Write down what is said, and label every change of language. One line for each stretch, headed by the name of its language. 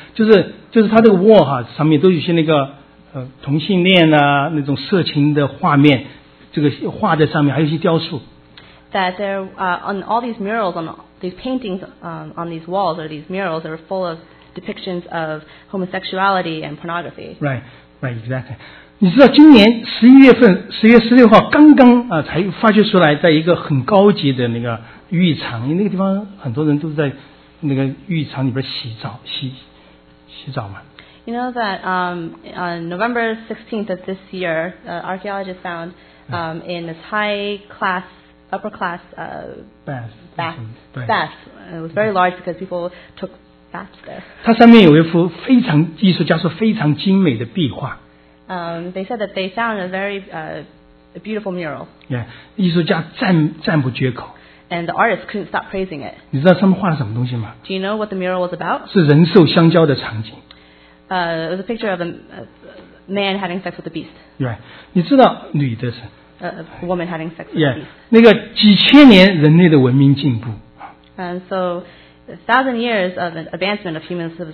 English: The wall
Chinese: 上面都有些那个 同性恋啊,那种色情的画面, 这个画在上面,还有一些雕塑。
English: That there, on all these murals, on these paintings on these walls, or these murals, they were full of depictions of homosexuality and pornography. Right, exactly.
Chinese: 你知道今年11月份, 11月16号, 刚刚, 才发掘出来, 在一个很高级的那个浴场, 那个地方很多人都在 那个浴场里边洗澡, 洗澡嘛。
English: You know that on November 16th of this year, archaeologists found in this high-class, upper-class bath. It was very large because people took baths there.
Chinese: 它上面有一幅非常, 艺术家说非常精美的壁画。
English: They said that they found a very beautiful mural.
Chinese: Yeah, 艺术家赞不绝口。
English: And the artist couldn't stop praising it.
Chinese: 你知道上面画了什么东西吗?
English: Do you know what the mural was about?
Chinese: 是人兽相交的场景。
English: It was a picture of a man having sex with a beast.
Chinese: Right. 你知道女的是?
English: A woman having sex with yeah. a beast.
Chinese: 那个几千年人类的文明进步。
English: So, 1,000 years of an advancement of human civilization.